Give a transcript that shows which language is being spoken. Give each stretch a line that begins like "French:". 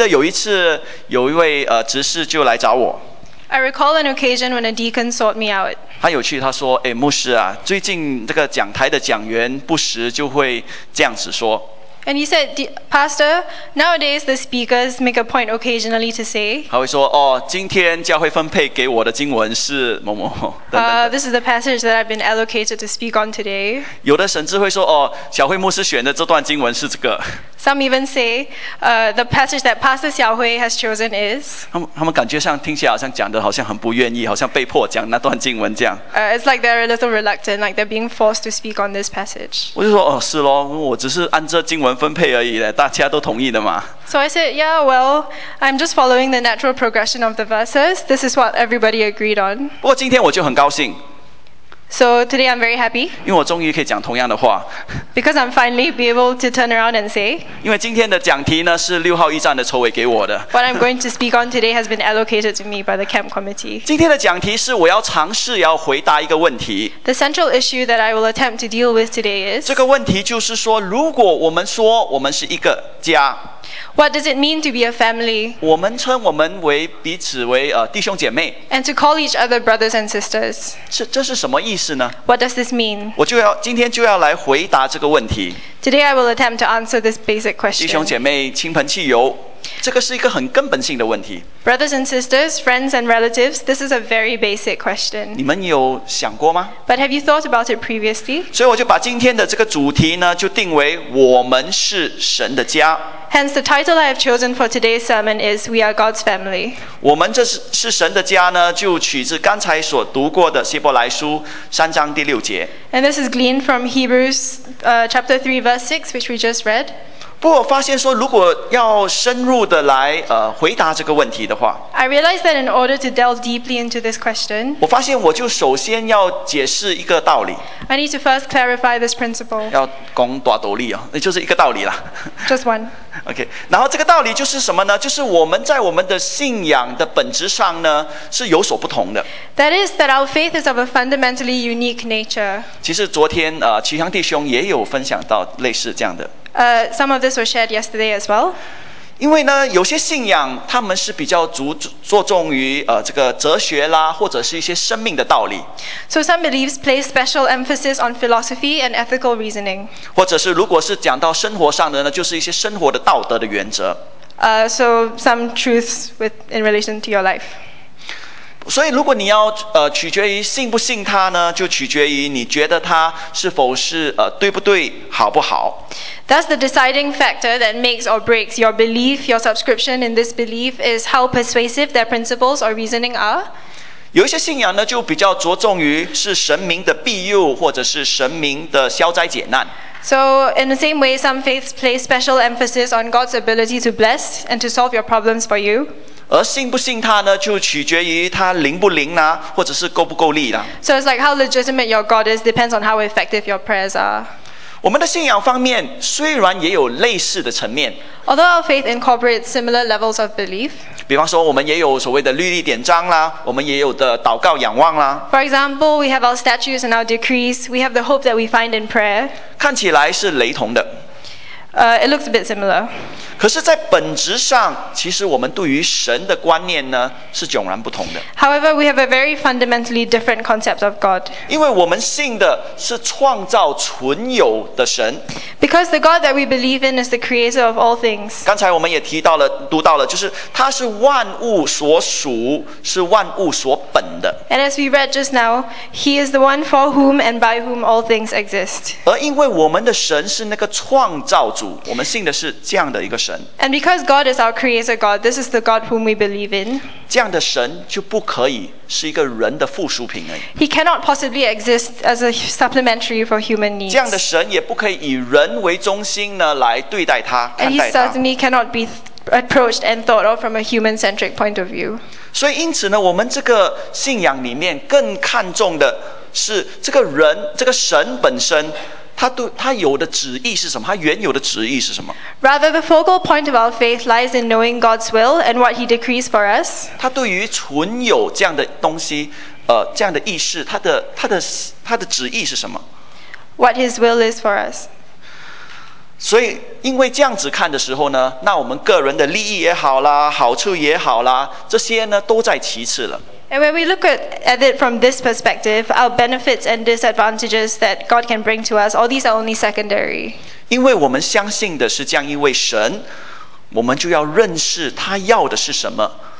Chinese: 第六节一起来，没有吗？但基督为儿子治理神的家，我们若将可夸的盼望和胆量坚持到底，便是他的家了。记得有一次，有一位执事就来找我。
English: I recall an occasion when a deacon sought me out.
Chinese: 他有趣，他说：“ 牧师啊， 最近这个讲台的讲员不时就会这样子说。”
English: And he said, Pastor, nowadays the speakers make a point occasionally to say,
Chinese: 他会说, 哦, 今天教会分配给我的经文是某某某,
English: this is the passage that I've been allocated to speak on today.
Chinese: 有的神智会说, 哦, 小慧牧师选的这段经文是这个。
English: Some even say, the passage that Pastor Xiaohui has chosen is,
Chinese: 他们感觉像听起来好像讲的好像很不愿意, 好像被迫讲那段经文这样。
English: It's like they're a little reluctant, like they're being forced to speak on this passage.
Chinese: 我就说, 哦, 是咯, 我只是按这经文
English: So I said, yeah, well, I'm just following the natural progression of the verses. This is what everybody agreed on.
Chinese: 不过今天我就很高兴。
English: So today I'm very happy.
Chinese: 因为我终于可以讲同样的话。
English: Because I'm finally be able to turn around and say.
Chinese: 因为今天的讲题呢, 是6号驿站的筹委给我的。
English: What I'm going to speak on today has been allocated to me by the camp committee.
Chinese: 今天的讲题是我要尝试要回答一个问题。
English: The central issue that I will attempt to deal with today is.
Chinese: 这个问题就是说, 如果我们说我们是一个家,
English: What does it mean to be a family?
Chinese: 我们称我们为彼此为, 弟兄姐妹,
English: and to call each other brothers and sisters.
Chinese: 这是什么意思呢?
English: What does this mean?
Chinese: 今天就要来回答这个问题。
English: Today I will attempt to answer this basic question.
Chinese: 弟兄姐妹, 亲朋戚友, 这个是一个很根本性的问题。
English: Brothers and sisters, friends and relatives, this is a very basic question.
Chinese: 你们有想过吗?
English: But have you thought about it previously?
Chinese: 所以我就把今天的这个主题呢, 就定为我们是神的家。
English: Hence, the title I have chosen for today's sermon is We Are God's Family.
Chinese: 我们这是神的家呢, 就取自刚才所读过的希伯来书3章第6节。
English: And this is gleaned from Hebrews chapter 3, verse 6, which we just read.
Chinese: 不过我发现说, 如果要深入的来, 回答这个问题的话,
English: I realize that in order to delve deeply into this question,
Chinese: 我发现我就首先要解释一个道理。
English: I need to first clarify this principle.
Chinese: 要讲大道理哦, 就是一个道理啦。
English: Just one.
Chinese: Okay, 然后这个道理就是什么呢?就是我们在我们的信仰的本质上呢, 是有所不同的。
English: That is that our faith is of a fundamentally unique nature.
Chinese: 其实昨天, 齐翔弟兄也有分享到类似这样的。
English: Some of this was shared yesterday as well.
Chinese: 因为呢, 有些信仰, 他们是比较注重于, 这个哲学啦, 或者是一些生命的道理。
English: So some beliefs place special emphasis on philosophy and ethical reasoning.
Chinese: 或者是如果是讲到生活上的呢, 就是一些生活的道德的原则。
English: So some truths in relation to your life.
Chinese: 所以如果你要, 取决于信不信他呢, 就取决于你觉得他是否是, 对不对, 好不好。
English: That's the deciding factor that makes or breaks your belief, your subscription in this belief is how persuasive their principles or reasoning are.
Chinese: 有一些信仰呢，就比较着重于是神明的庇佑，或者是神明的消灾解难。
English: So in the same way, some faiths place special emphasis on God's ability to bless and to solve your problems for you.
Chinese: 而信不信他呢，就取决于他灵不灵啦，或者是够不够力啦。
English: So it's like how legitimate your God is depends on how effective your prayers are.
Chinese: 我们的信仰方面虽然也有类似的层面。
English: Although our faith incorporates similar levels of belief.
Chinese: 比方说，我们也有所谓的律例典章啦，我们也有的祷告仰望啦。
English: For example, we have our statutes and our decrees. We have the hope that we find in prayer.
Chinese: 看起来是雷同的。
English: It looks a bit similar.
Chinese: 可是在本质上，其实我们对于神的观念呢，是迥然不同的。
English: However, we have a very fundamentally different concept of God.
Chinese: 因为我们信的是创造存有的神。
English: Because the God that we believe in is the creator of all things.
Chinese: 刚才我们也提到了，读到了，就是他是万物所属，是万物所本的。
English: And as we read just now, he is the one for whom and by whom all things exist.
Chinese: 而因为我们的神是那个创造主，我们信的是这样的一个神。
English: And because God is our creator God, this is the God whom we believe in.
Chinese: 这样的神就不可以是一个人的附属品而已。
English: He cannot possibly exist as a supplementary for human needs.
Chinese: 这样的神也不可以以人为中心呢来对待他，看待他。
English: And he certainly cannot be approached and thought of from a human-centric point of view.
Chinese: 所以因此呢，我们这个信仰里面更看重的是这个人，这个神本身。他有的旨意是什么？他原有的旨意是什么？
English: Rather, the focal point of our faith lies in knowing God's will and what He decrees for us.
Chinese: 他对于存有这样的东西，这样的意识，他的旨意是什么？
English: What His will is for us.
Chinese: 所以，因为这样子看的时候呢，那我们个人的利益也好啦，好处也好啦，这些呢都在其次了。
English: And when we look at it from this perspective, our benefits and disadvantages that God can bring to us, all these are only secondary.
Chinese: 因为我们相信的是这样一位神，我们就要认识他要的是什么。